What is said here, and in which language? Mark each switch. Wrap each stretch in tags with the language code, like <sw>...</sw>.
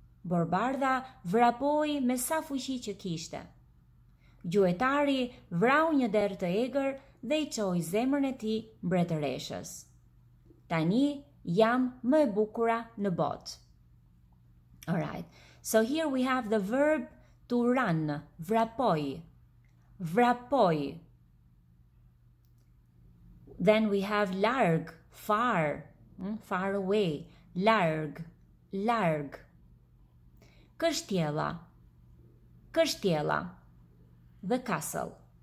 <sq>Borbardha vrapoi me sa fuqi që kishte. Gjuetari vrau një derë të egër dhe I qoi zemrën e tij mbretëreshës. Tani jam më e bukura në botë.</sq> <en>Alright. So here we have the verb to run, vrapoi. Vrapoi. Then we have larg, far, far away, larg, larg.</en> <sq>Kështjella, kështjella,</sq> <en>the castle.</en>